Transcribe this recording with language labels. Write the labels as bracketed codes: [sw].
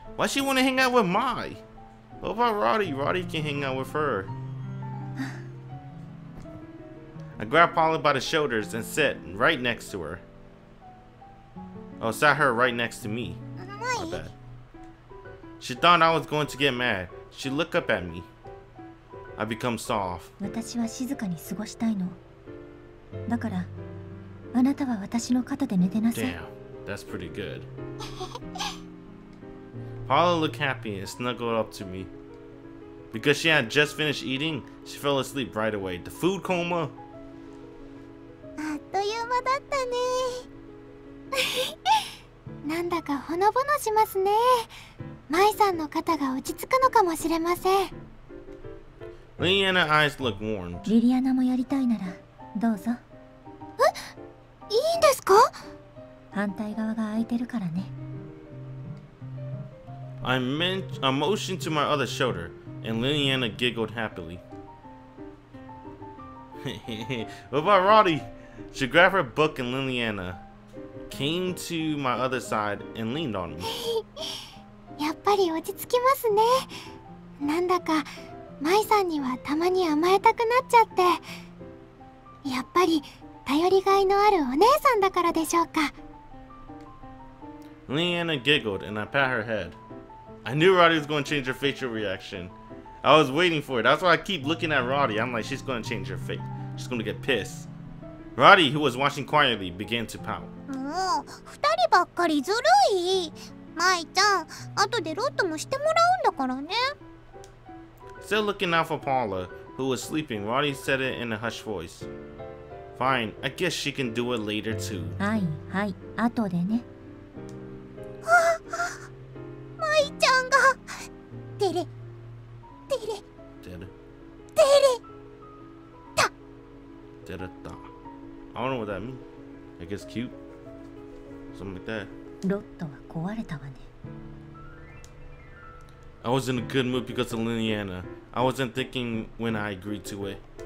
[en] Why she wanna hang out with Mai? What about Roddy? Roddy can hang out with her. I grabbed Paula by the shoulders and sat right next to her. Oh, sat her right next to me. My bad. She thought I was going to get mad. She looked up at me. I become soft. [ja] 私は静かに過ごしたいの。だから、あなたは私の肩で寝てなさい。 [en] Damn, that's pretty good. Paula looked happy and snuggled up to me. Because she had just finished eating, she fell asleep right away. The food coma. [ja] あっという間だったね。なんだかほのぼのしますね。マイさんの肩が落ち着くのかもしれません。 [en] リリアナ eyes look warm. [ja] リリアナもやりたいならどうぞ。え？いいんですか？反対側が空いてるからね。 [en] I motioned to my other shoulder, and リリアナ giggled happily. What about Roddy? She grabbed her book and リリアナ. Came to my other side and leaned on me. [ja] やっぱり落ち着きますね。なんだか、マイさんにはたまに甘えたくなっちゃって。やっぱり、頼りがいのあるお姉さんだからでしょうか。 [en] Leanna giggled and I pat her head. I knew Roddy was going to change her facial reaction. I was waiting for it. That's why I keep looking at Roddy. I'm like, she's going to change her face. She's going to get pissed. Roddy, who was watching quietly, began to pout. [ja] もう、二人ばっかりずるい。マイちゃん、後でロットもしてもらうんだからね。 [en] Still looking out for Paula, who was sleeping, Roddy said it in a hushed voice. Fine, I guess she can do it later too. [ja] はい、はい、後でね。マイちゃんが…てれ…てれ… てれ… てれ…た… てれた… [en] I don't know what that means. I guess cute. Something like that. [ja] ロットは壊れたわね。 [en] I was in a good mood because of Liliana. I wasn't thinking when I agreed to it.